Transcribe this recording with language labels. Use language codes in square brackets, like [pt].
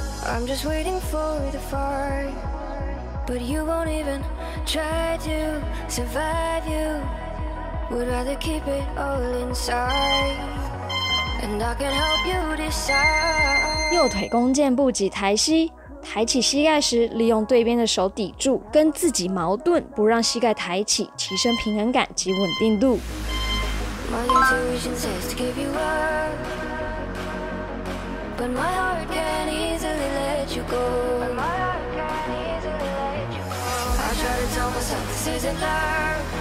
[en] I'm just waiting for the fire, but you won't even try to survive. You would rather keep it all inside, and I can help you decide. [zh] 右腿弓箭步及抬膝，抬起膝盖时，利用对边的手抵住，跟自己矛盾，不让膝盖抬起，提升平衡感及稳定度。 [en] My intuition says to give you up. But my heart can easily let you go. My heart can easily let you go. I try to tell myself this isn't love.